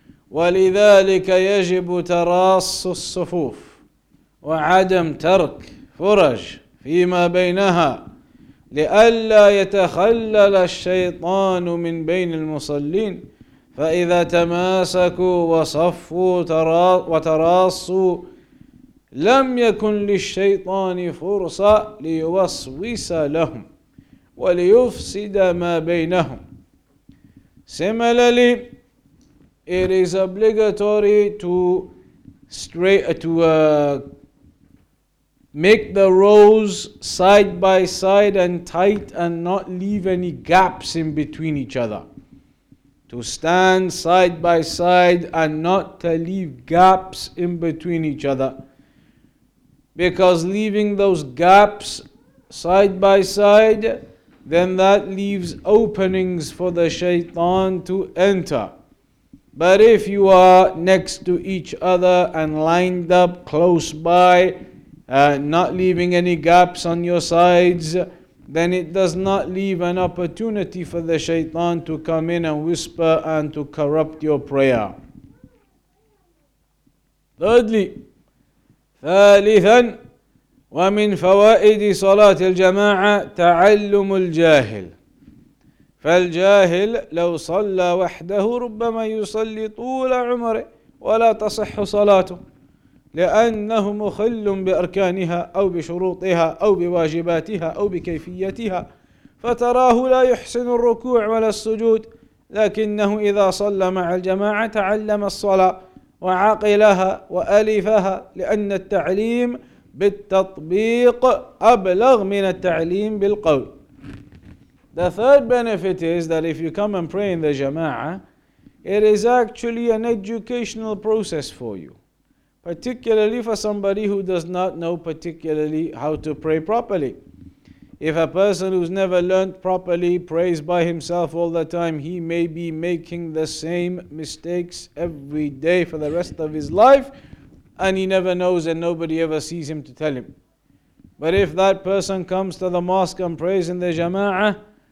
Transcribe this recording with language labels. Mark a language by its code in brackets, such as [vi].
[ar] ولذلك يجب تراص الصفوف وعدم ترك فرج فيما بينها لئلا يتخلل الشيطان من بين المصلين. فإذا تماسكوا وصفوا وتراصوا لم يكن للشيطان فرصة ليوسوس لهم وليفسد ما بينهم. [en] Similarly, it is obligatory to make the rows side by side and tight and not leave any gaps in between each other. To stand side by side and not to leave gaps in between each other. Because leaving those gaps side by side, then that leaves openings for the shaitan to enter. But if you are next to each other and lined up close by, not leaving any gaps on your sides, then it does not leave an opportunity for the shaitan to come in and whisper and to corrupt your prayer. [ar] Thirdly, ثالثاً ومن فوائد صلاة الجماعة تعلم الجاهل فالجاهل لو صلى وحده ربما يصلي طول عمره ولا تصح صلاته لأنه مخل بأركانها أو بشروطها أو بواجباتها أو بكيفيتها فتراه لا يحسن الركوع ولا السجود لكنه إذا صلى مع الجماعة تعلم الصلاة وعقلها وألفها لأن التعليم بالتطبيق أبلغ من التعليم بالقول. [en] The third benefit is that if you come and pray in the jama'ah, it is actually an educational process for you, particularly for somebody who does not know particularly how to pray properly. If a person who's never learned properly prays by himself all the time, he may be making the same mistakes every day for the rest of his life, and he never knows and nobody ever sees him to tell him. But if that person comes to the mosque and prays in the jama'ah,